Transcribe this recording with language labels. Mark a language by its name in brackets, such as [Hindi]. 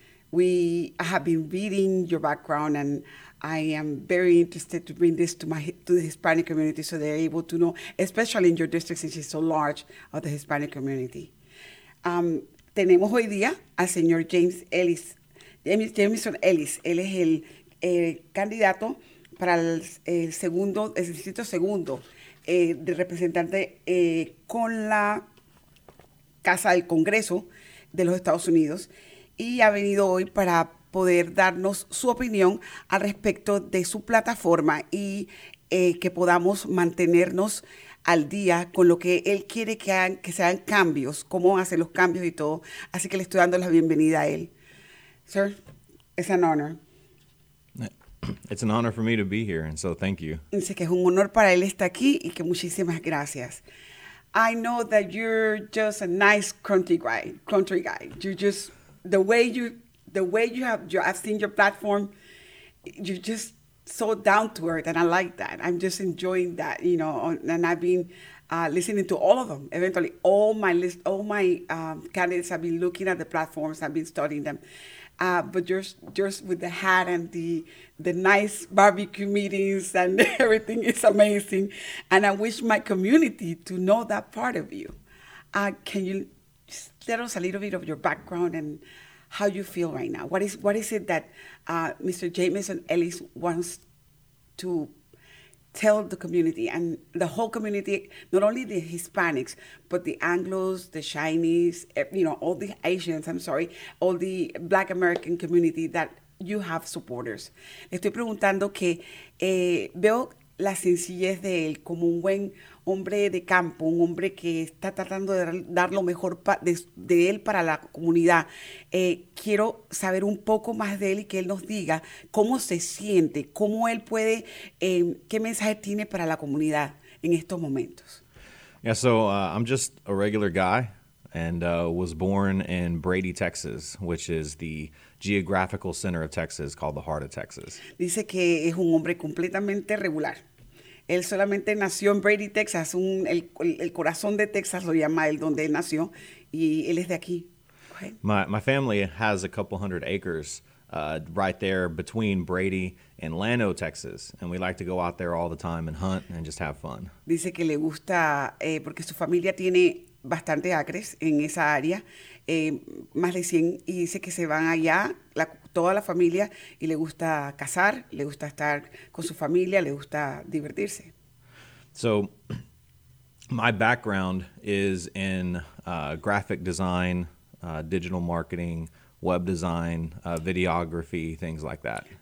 [English] We have been reading your background, and I am very interested to bring this to the Hispanic community so they're able to know, especially in your district since it's so large, of the Hispanic community. [Spanish] Tenemos hoy día al señor Jameson Ellis. Él es el candidato para el distrito segundo de representante con la Casa del Congreso de los Estados Unidos, y ha venido hoy para poder darnos su opinión al respecto de su plataforma y que podamos mantenernos al día con lo que él quiere que sean cambios, cómo hacer los cambios y todo. Así que le estoy dando la bienvenida a él. [English] Sir, it's an honor. It's an honor for me to be here, and so thank you. [Spanish] Dice que es un honor para él estar aquí y que muchísimas gracias. [English] I know that you're just a nice country guy. You're just I've seen your platform. You're just so down to earth, and I like that. I'm just enjoying that, you know. And I've been listening to all of them. Eventually, all my candidates have been looking at the platforms. I've been studying them. But just with the hat and the nice barbecue meetings and everything is amazing. And I wish my community to know that part of you. Can you tell us a little bit of your background and how you feel right now? What is it that Mr. Jameson Ellis wants to tell the community and the whole community, not only the Hispanics, but the Anglos, the Chinese, you know, all the Asians, I'm sorry, all the Black American community that you have supporters? [Spanish] Estoy preguntando que veo la sencillez de él como un buen hombre de campo, un hombre que está tratando de dar lo mejor de él para la comunidad. Quiero saber un poco más de él y que él nos diga cómo se siente, cómo él puede, qué mensaje tiene para la comunidad en estos momentos. [English] Yeah, so I'm just a regular guy and was born in Brady, Texas, which is the geographical center of Texas called the heart of Texas. [Spanish] Dice que es un hombre completamente regular. Él solamente nació en Brady, Texas, el corazón de Texas lo llama él, donde él nació, y él es de aquí. [English] My family has a couple hundred acres right there between Brady and Llano, Texas, and we like to go out there all the time and hunt and just have fun. [Spanish] Dice que le gusta, porque su familia tiene bastante acres en esa área, más de 100, y dice que se van allá, toda la familia, y le gusta cazar, le gusta estar con su familia, le gusta divertirse. [English] So, my background is in graphic design, digital marketing, web design, videography, things like that.